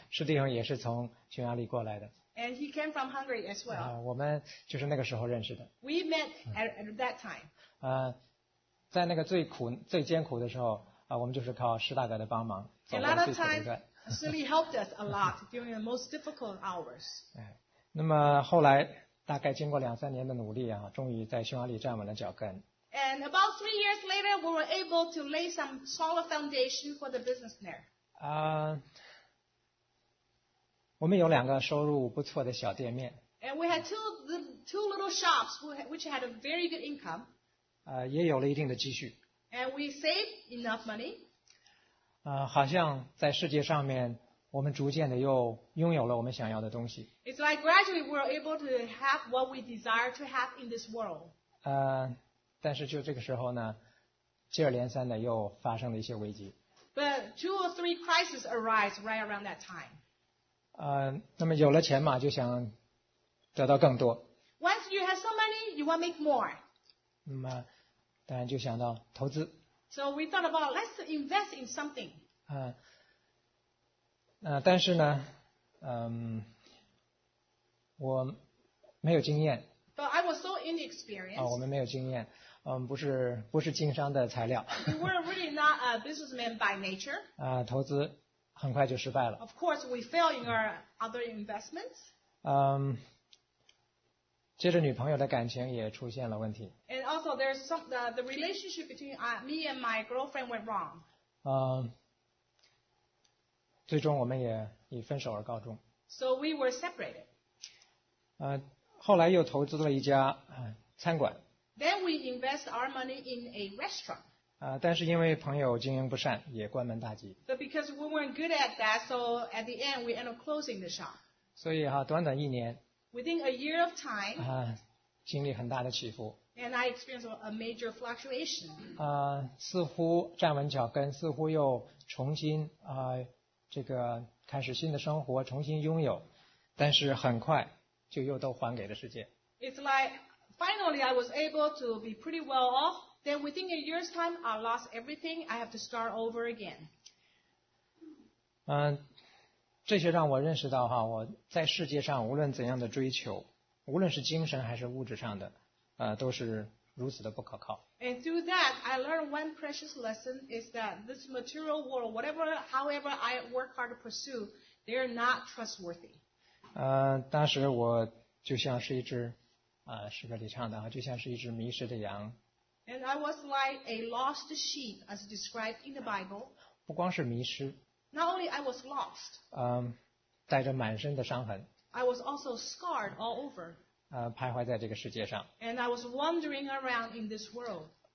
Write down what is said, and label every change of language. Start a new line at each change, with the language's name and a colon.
Chinese: 施弟兄也是从匈牙利过来的
English: And he came from Hungary as well.
Chinese: 我们就是那个时候认识的
English: We met at that time.
Chinese: 在那个最苦最艰苦的时候我们就是靠施大哥的帮忙
English: A lot of times, Sully helped us a lot during the most difficult hours.
Chinese: 那么后来大概经过两三年的努力终于在匈牙利站稳了脚跟。
English: And about 3 years later, we were able to lay some solid foundation for the business there.
Chinese: 我们有两个收入不错的小店面。
English: And we had two little shops which had a very good income.
Chinese: 也有了一定的积蓄。
English: And we save enough money.
Chinese: 好像在世界上面，我们逐渐的又拥有了我们想要的东西。
English: It's like gradually we're able to have what we desire to have in this world.
Chinese: 但是就这个时候呢，接二连三的又发生了一些危机。
English: But two or three crises arise right around that time.
Chinese: 那么有了钱嘛，就想得到更多。
English: Once you have some money, you want to make more.
Chinese: 当然就想到投资。
English: So we thought about let's invest in something.
Chinese: 但是呢，我没有经验。
English: But I was so inexperienced.
Chinese: 我们没有经验，不是经商的材料。
English: We were really not a businessman by nature.
Chinese: 投资很快就失败了。
English: Of course, we fail in our other investments.
Chinese: 接着女朋友的感情也出现了问题。
English: And also there's some, the relationship between me and my girlfriend went wrong.
Chinese: 最终我们也以分手而告终。
English: So we were separated.
Chinese: 后来又投资了一家餐馆。
English: Then we invest our money in a restaurant.
Chinese: 但是因为朋友经营不善也关门大吉。
English: But because we weren't good at that, so at the end we ended up closing the shop.
Chinese: 所以短短一年
English: Within a year of time,
Chinese: 经历很大的起伏
English: and I experienced a major fluctuation.
Chinese: 似乎站稳脚跟，似乎又重新这个开始新的生活，重新拥有，但是很快就又都还给了世界。
English: It's like finally I was able to be pretty well off. Then within a year's time, I lost everything. I have to start over again.
Chinese: 这些让我认识到我在世界上无论怎样的追求无论是精神还是物质上的都是如此的不可靠。
English: And through that, I learned one precious lesson is that this material world, whatever, however I work hard to pursue, they are not trustworthy.
Chinese: 当时我就像是一只诗歌里唱的就像是一只迷失的羊。
English: And I was like a lost sheep as described in the Bible.
Chinese: 不光是迷失。
English: Not only I was lost,
Chinese: 带着满身的伤痕
English: I was also scarred all over,
Chinese: 徘徊在这个世界上
English: and I was wandering around in this world,